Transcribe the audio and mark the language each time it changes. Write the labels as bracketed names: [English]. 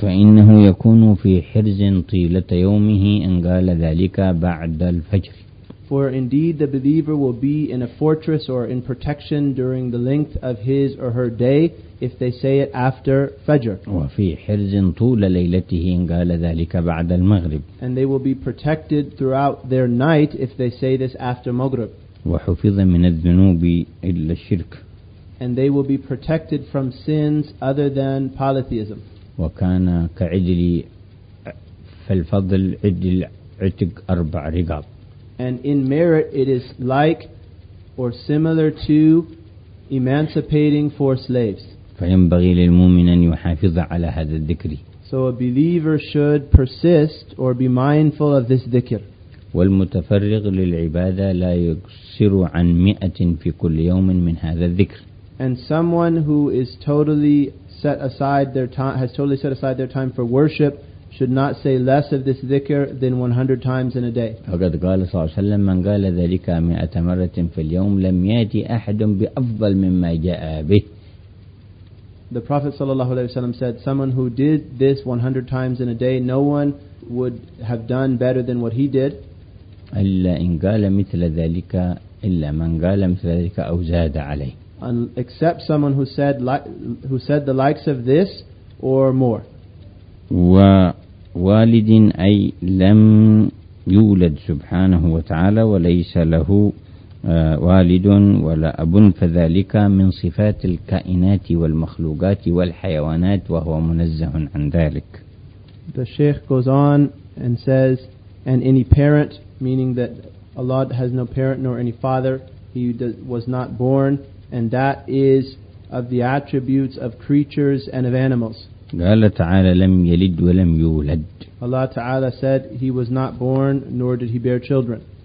[Arabic] فإنه يكون في حرز طيلة يومه إن قال ذلك بعد الفجر. [English] For indeed the believer will be in a fortress or in protection during the length of his or her day if they say it after Fajr. [Arabic] وفي حرز طول ليلته إن قال ذلك بعد المغرب. [English] And they will be protected throughout their night if they say this after Maghrib. [Arabic] وحفظ من الذنوب إلا الشرك. [English] And they will be protected from sins other than polytheism. [Arabic] وكان كعدل فالفضل عدل عتق أربع رقاب. [English] And in merit, it is like or similar to emancipating four slaves. [Arabic] فينبغي للمؤمن أن يحافظ على هذا الذكر. [English] So a believer should persist or be mindful of this dhikr. [Arabic] والمتفرغ للعبادة لا يقصر عن مئة في كل يوم من هذا الذكر. [English] And someone who is totally set aside their time, has totally set aside their time for worship, should not say less of this dhikr than 100 times in a day. [Arabic] فقد قال صلى الله عليه وسلم من قال ذلك 100 مرة في اليوم لم يأتي أحد بأفضل مما جاء به. [English] The Prophet sallallahu alaihi wasallam said, someone who did this 100 times in a day, no one would have done better than what he did. [Arabic] إلا إن قال مثل ذلك إلا من قال مثل ذلك أو زاد عليه. [English] Except someone who said the likes of this or more. [Arabic] ووالد أي لم يولد سبحانه وتعالى وليس له والد ولا أب فذلك من صفات الكائنات والمخلوقات والحيوانات وهو منزه عن ذلك. [English] The Sheikh goes on and says, and any parent, meaning that Allah has no parent nor any father, he was not born, and that is of the attributes of creatures and of animals. [Arabic] قال تعالى لم يلد ولم يولد. [English] Allah Ta'ala said he was not born nor did he bear children.